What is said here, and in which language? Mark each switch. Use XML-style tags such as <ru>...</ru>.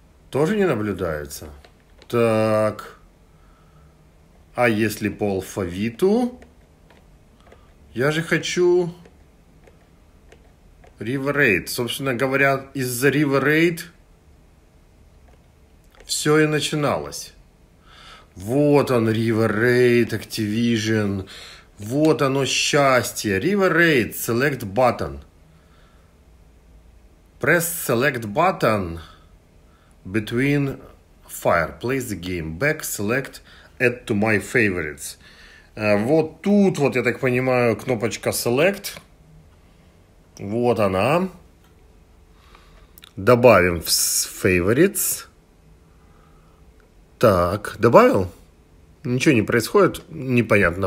<ru>Тоже не наблюдается. Так. А если по алфавиту? Я же хочу River Raid. Собственно говоря, из-за River Raid... Все и начиналось. Вот он, River Raid, Activision. Вот оно счастье. River Raid, Select Button.</ru> <en>Press Select Button between fire. Play the game. Back Select Add to My Favorites.</en> <ru>Вот тут, вот я так понимаю, кнопочка Select. Вот она. Добавим в Favorites. Так, добавил? Ничего не происходит. Непонятно.</ru>